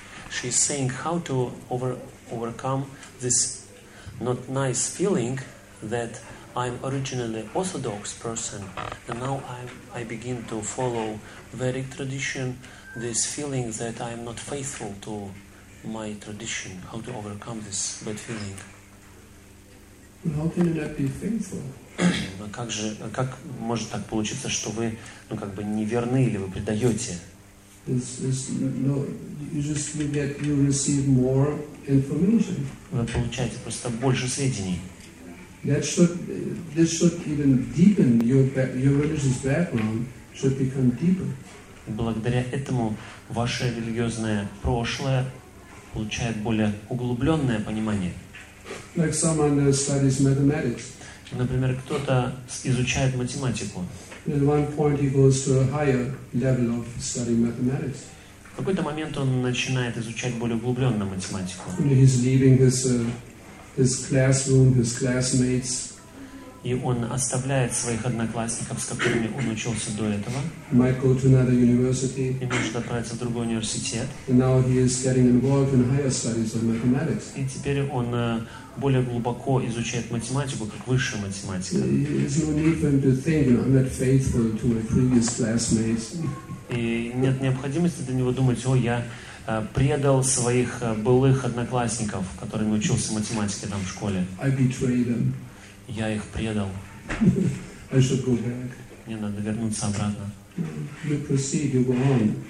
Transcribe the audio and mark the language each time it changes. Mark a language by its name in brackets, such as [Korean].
[English] She is saying how to overcome this not nice feeling that I'm originally orthodox person and now I begin to follow Vedic tradition, this feeling that I'm not faithful to my tradition, how to overcome this bad feeling. How can that be faithful? [Russian] как может так получиться, что вы, ну, как бы неверны или вы предаете? [English] You receive more information. [Russian] Вы получаете просто больше сведений. [English] This should even deepen your religious background should become deeper. [Russian] Благодаря этому ваше религиозное прошлое получает более углубленное понимание. [English] Like someone studies mathematics. [Russian] Например, кто-то изучает математику. [English] At one point he goes to a higher level of studying mathematics. [Russian] В какой-то момент он начинает изучать более углубленную математику. [English] He's leaving his classroom, his classmates. [Russian] И он оставляет своих одноклассников, с которыми он учился до этого. [English] Might go to another university. [Russian] И может отправиться в другой университет. [English] And now he is getting involved in higher studies of mathematics. [Russian] И теперь он более глубоко изучает математику, как высшая математика. [English] There's no need for him to think, I'm not faithful to my previous classmates. [Russian] И нет необходимости для него думать, о, я предал своих былых одноклассников, которыми учился математике там в школе. [English] I betray them. [Russian] Я их предал. [English] I should go back. [Russian] Мне надо вернуться обратно. [English] You proceed, you go on.